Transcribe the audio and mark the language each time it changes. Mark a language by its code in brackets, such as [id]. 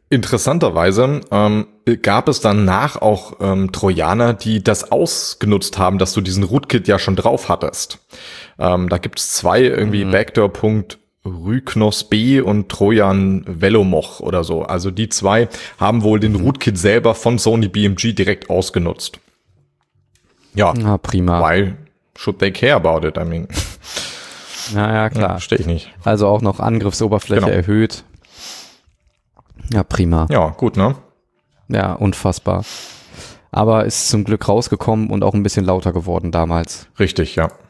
[de] Interessanterweise gab es danach auch Trojaner, die das ausgenutzt haben, dass du diesen Rootkit ja schon drauf hattest. Da gibt es zwei irgendwie, Backdoor.rygnosb und Trojan Velomoch oder so. Also die zwei haben wohl den Rootkit selber von Sony BMG direkt ausgenutzt. Ja. Na, prima. [en] Why should they care about it? I mean. [de] Naja, klar. Verstehe ich nicht. Also auch noch Angriffsoberfläche erhöht. Ja, prima. Ja, gut, ne? Ja, unfassbar. Aber ist zum Glück rausgekommen und auch ein bisschen lauter geworden damals. Richtig, ja.